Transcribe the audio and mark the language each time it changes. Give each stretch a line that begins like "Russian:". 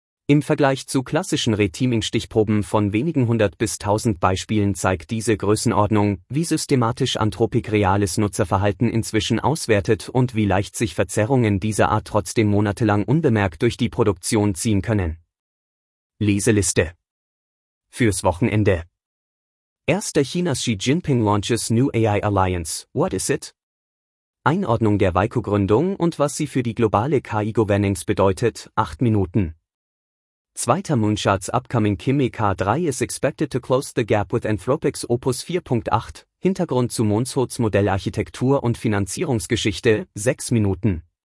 German: Im Vergleich zu klassischen Reteaming-Stichproben von wenigen hundert bis tausend Beispielen zeigt diese Größenordnung, wie systematisch Anthropic reales Nutzerverhalten inzwischen auswertet und wie leicht sich Verzerrungen dieser Art trotzdem monatelang unbemerkt durch die Produktion ziehen können. Leseliste. Fürs Wochenende.
English: Erster Chinas Xi Jinping launches New AI Alliance, what is it?
German: Einordnung der Weiko-Gründung und was sie für die globale KI-Governance bedeutet, 8 Minuten.
English: Zweiter Moonshot's upcoming Kimi K3 is expected to close the gap with Anthropic's Opus 4.8,
German: Hintergrund zu Moonshot's Modellarchitektur und Finanzierungsgeschichte, 6 Minuten.